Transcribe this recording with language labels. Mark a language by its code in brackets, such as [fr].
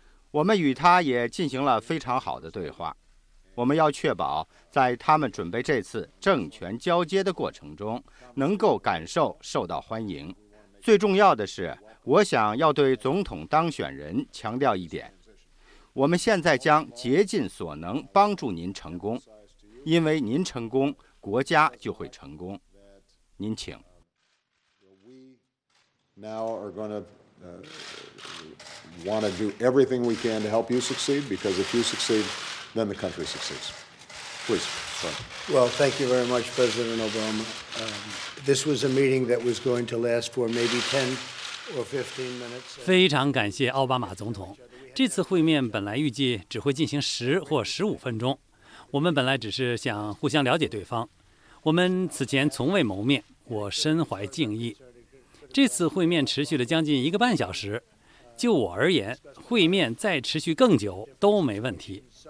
[zh] 我们与她也进行了非常好的对话。我们要确保在他们准备这次政权交接的过程中，能够感受受到欢迎。最重要的是，我想要对总统当选人强调一点，我们现在将竭尽所能帮助您成功，因为您成功，国家就会成功。您请。 [en] We now are going to want to do everything we can to help you succeed, because if you succeed, then the country succeeds. Please. Excellent. Well, thank you very much, President Obama. This was a meeting that was going to last for maybe 10 or 15 minutes. [zh] 非常感谢奥巴马总统。这次会面本来预计只会进行10或15分钟。我们本来只是想互相了解对方。我们此前从未谋面，我深怀敬意。这次会面持续了将近一个半小时。就我而言，会面再持续更久都没问题。